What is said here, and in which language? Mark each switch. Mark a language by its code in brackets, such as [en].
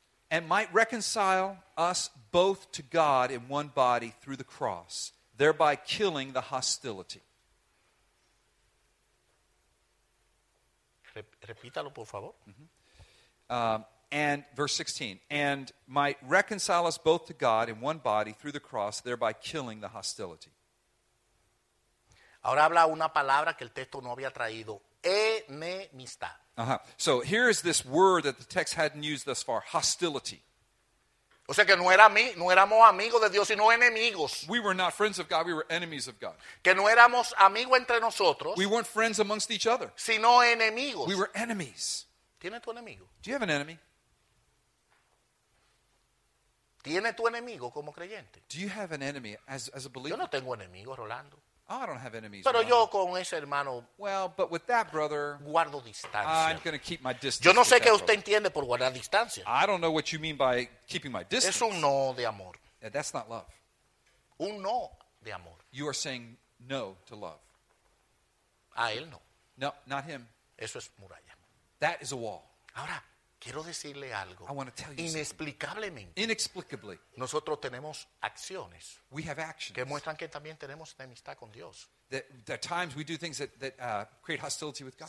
[en] And might reconcile us both to God in one body through the cross, thereby killing the hostility. [es] Repítalo, por favor. Mm-hmm. [en] And verse 16, and might reconcile us both to God in one body through the cross, thereby killing the hostility. [es] Ahora habla una palabra que el texto no había traído, enemistad. Uh-huh. [en] So here is this word that the text hadn't used thus far, hostility. [es] O sea que no era mí, no éramos amigos de Dios, sino enemigos. [en] We were not friends of God, we were enemies of God. [es] Que no éramos amigos entre nosotros. [en] We weren't friends amongst each other. [es] Sino enemigos. [en] We were enemies. [es] ¿Tienes tu enemigo? [en] Do you have an enemy? [es] ¿Tiene tu enemigo como creyente? [en] Do you have an enemy as a believer? [es] Yo no tengo enemigo, Rolando. [en] Oh, I don't have enemies. [es] Pero [en] Rolando. [es] Yo con ese hermano. [en] Well, but with that brother, [es] guardo distancia. [en] I'm going to keep my distance. [es] Yo no sé qué usted entiende por guardar distancia. [en] I don't know what you mean by keeping my distance. [es] Es un no de amor. [en] Yeah, that's not love. [es] Un no de amor. [en] You are saying no to love. [es] A él no. [en] No, not him. [es] Eso es muralla. [en] That is a wall. [es] Ahora. Quiero decirle algo. [en] I want to tell you [es] inexplicablemente. [en] Something. Inexplicably. [es] Nosotros tenemos acciones. [en] We have actions. [es] Que muestran que también tenemos enemistad con Dios. [en] There are times we do things that create hostility with God.